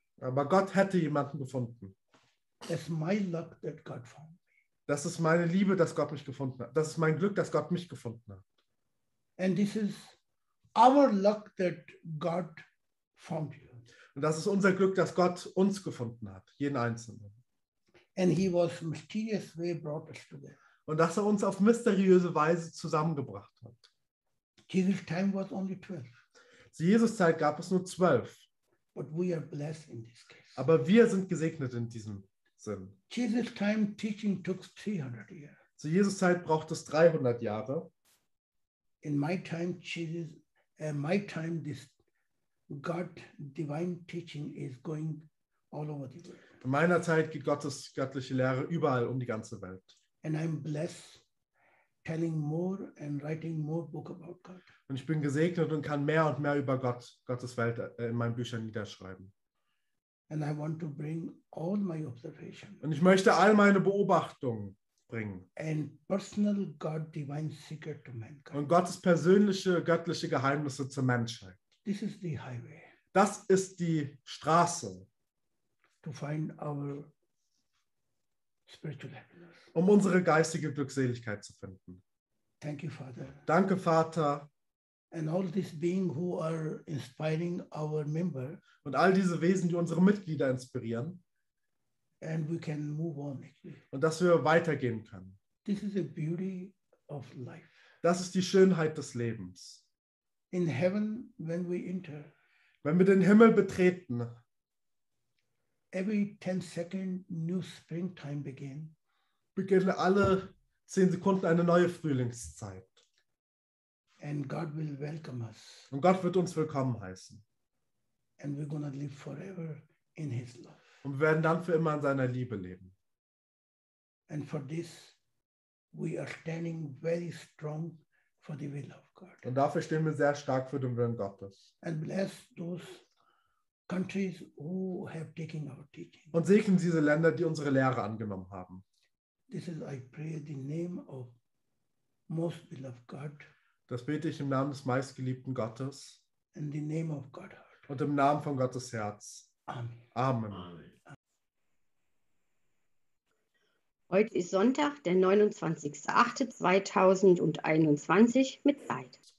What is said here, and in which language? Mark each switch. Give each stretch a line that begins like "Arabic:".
German: Aber Gott hätte jemanden gefunden.
English: It's my luck that God found me.
German: Das ist meine Liebe, dass Gott mich gefunden hat. Das ist mein Glück, dass Gott mich gefunden hat.
English: And this is our luck that God found you.
German: Und das ist unser Glück, dass Gott uns gefunden hat, jeden Einzelnen.
English: And he was mysterious way brought us together.
German: Und dass er uns auf mysteriöse Weise zusammengebracht hat.
English: Jesus time was only 12.
German: Zu Jesus Zeit gab es nur 12.
English: But we are blessed in this case.
German: Aber wir sind gesegnet in diesem Sinn.
English: Jesus time teaching took 300 years.
German: Zu Jesus Zeit braucht es 300 Jahre.
English: In my time, Jesus, my time, this God divine teaching is going all over the world.
German: In meiner Zeit geht Gottes göttliche Lehre überall um die ganze Welt.
English: And I'm blessed telling more and writing more book about God.
German: Und ich bin gesegnet und kann mehr und mehr über Gott, Gottes Welt in meinen Büchern niederschreiben.
English: And I want to bring all my observations.
German: Und ich möchte all meine Beobachtungen bringen.
English: And personal God divine secret to mankind.
German: Und Gottes persönliche göttliche Geheimnisse zur Menschheit.
English: This is the highway.
German: Das ist die Straße.
English: To find our spiritual happiness.
German: Um unsere geistige Glückseligkeit zu finden.
English: Thank you, Father.
German: Danke, Vater.
English: And all these beings who are inspiring our member.
German: Und all diese Wesen, die unsere Mitglieder inspirieren.
English: And we can move on.
German: Und dass wir weitergehen können.
English: This is the beauty of life.
German: Das ist die Schönheit des Lebens.
English: In heaven, when we enter.
German: Wenn wir den Himmel betreten.
English: Every 10 second new springtime begin.
German: Beginne alle 10 Sekunden eine neue Frühlingszeit.
English: And God will welcome us.
German: Und Gott wird uns willkommen heißen.
English: And we're gonna live forever in his love.
German: Und wir werden dann für immer in seiner Liebe leben.
English: And for this we are standing very strong for the will of God.
German: Und dafür stehen wir sehr stark für den Willen Gottes.
English: And bless those countries who have taken our teaching.
German: Und segnen diese Länder, die unsere Lehre angenommen haben.
English: This is I pray the name of most beloved God.
German: Das bete ich im Namen des meistgeliebten Gottes.
English: In the name of God.
German: Und im Namen von Gottes Herz.
English: Amen.
German: Amen. Amen. Heute ist Sonntag, der 29.08.2021 mit Zeit.